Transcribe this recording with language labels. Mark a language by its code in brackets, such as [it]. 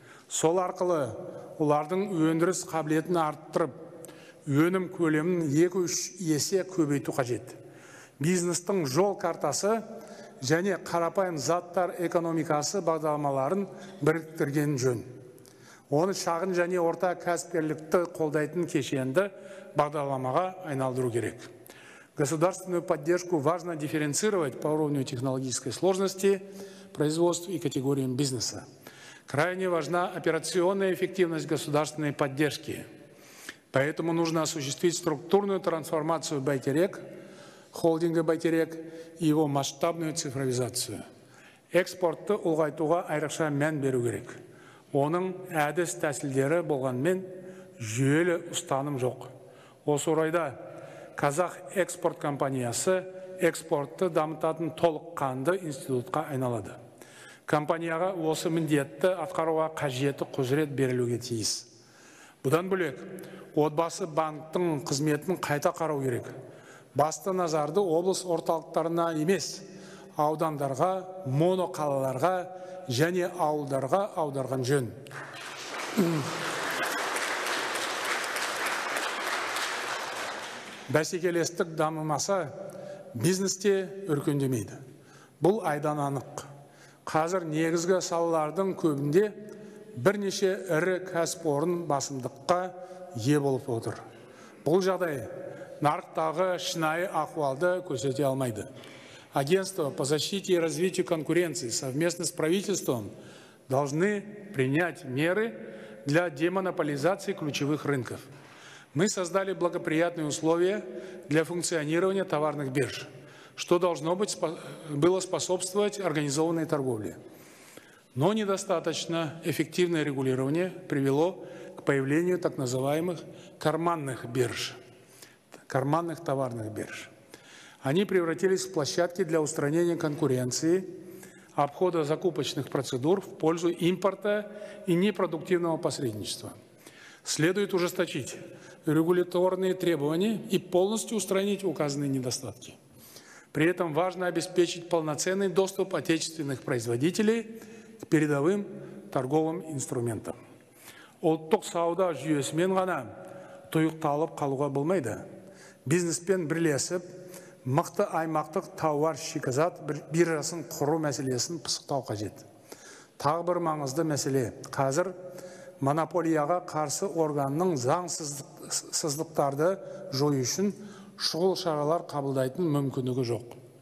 [kk] Сол арқылы олардың өндіріс қабілетін арттырып, өнім көлемін 2-3 есе көбейту қажет. Бизнестің жол картасы және қарапайым заттар экономикасы бағдарламаларын біріктірген жөн. Оны шағын және орта кәсіпкерлікті қолдайтын кешенді бағдарламаға айналдыру керек. [ru] Государственную поддержку важно дифференцировать по уровню технологической сложности, производству и категориям бизнеса. Крайне важна операционная эффективность государственной поддержки. Поэтому нужно осуществить структурную трансформацию «Байтерек», холдинга «Байтерек» и его масштабную цифровизацию. [kk] Экспортты ұлғайтуға айрықша мән беру керек. Оның әдіс тәсілдері болғанмен жүйелі ұстаным жоқ. Осы орайда Қазақ экспорт компаниясы экспортты дамытатын толық қанды институтқа айналады. Компанияға осы міндетті атқаруға қажеті құзырет берілуге тиіс. Бұдан бөлек, отбасы банктың қызметін қайта қарау керек. Басты назарды облыс орталықтарына емес, аудандарға, моноқалаларға және ауылдарға аударған жөн. Бәсекелестік дамымаса, бизнесте үркендемейді. Бұл айдан анық. Қазір негізгі салалардың көбінде бірнеше ірі кәсіпорын басымдыққа ие болып отыр. Бұл жағдай нарықтағы шынайы ахуалды көрсете алмайды. [ru] Агентство по защите и развитию конкуренции совместно с правительством должны принять меры для демонополизации ключевых рынков. Мы создали благоприятные условия для функционирования товарных бирж, что должно было способствовать организованной торговле. Но недостаточно эффективное регулирование привело к появлению так называемых карманных бирж, карманных товарных бирж. Они превратились в площадки для устранения конкуренции, обхода закупочных процедур в пользу импорта и непродуктивного посредничества. Следует ужесточить регуляторные требования и полностью устранить указанные недостатки. При этом важно обеспечить полноценный доступ отечественных производителей к передовым торговым инструментам. [kk] Ұлттық сауда жүйесімен ғана тұйықталып қалуға болмайды. Бизнеспен бірлесіп, мықты аймақтық тауар шикізат биржасын құру мәселесін пысықтау қажет. Тағы бір маңызды мәселе қазір монополияға қарсы органның заңсыздықтарды жою үшін шұғыл шаралар қабылдайтын мүмкіндігі жоқ.